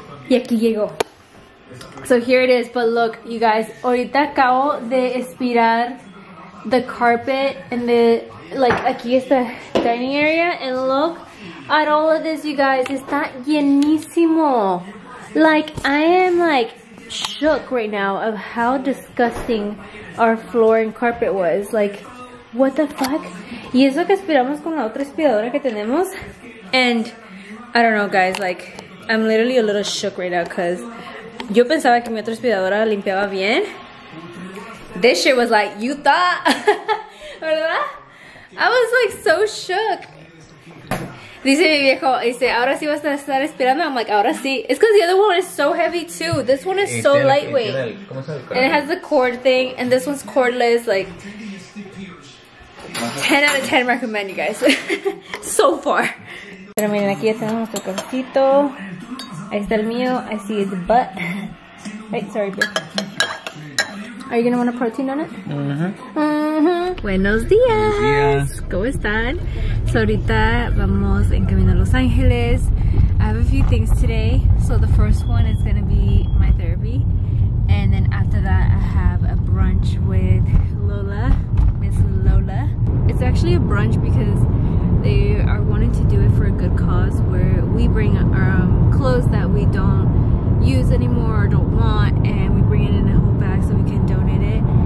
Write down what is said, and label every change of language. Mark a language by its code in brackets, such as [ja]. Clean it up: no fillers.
[es] Y aquí llegó. [en] So here it is, but look, you guys, [es] ahorita acabo de espirar [en] the carpet and the, like, [es] aquí es [en] the dining area, and look at all of this, you guys, [es] está llenísimo. [en] Like, I am, like, shook right now of how disgusting our floor and carpet was. Like, what the fuck? [es] Y eso que espiramos con la otra espiradora que tenemos. [en] And, I don't know, guys, like, I'm literally a little shook right now, because [es] yo pensaba que mi otra aspiradora limpiaba bien. [en] This shit was like, you thought, [es] ¿verdad? [en] I was like so shook. [es] Dice mi viejo, dice, ahora sí vas a estar aspirando. [en] I'm like, [es] ahora sí. [en] It's because the other one is so heavy too. This one is so lightweight. And it has the cord thing. And this one's cordless. Like, 10 out of 10 recommend, you guys. So far. [es] Pero miren, aquí ya tenemos nuestro cortito. Ahí está el mío, [en] I see his butt. Wait, sorry, babe. Are you gonna want a protein on it? [es] Buenos días. ¿Cómo están? [en] So [es] ahorita vamos en camino a Los Ángeles. [en] I have a few things today. So the first one is gonna be my therapy. And then after that, I have a brunch with Lola, Miss Lola. It's actually a brunch because they are wanting to do it for a good cause, where we bring clothes that we don't use anymore or don't want, and we bring it in a whole bag so we can donate it.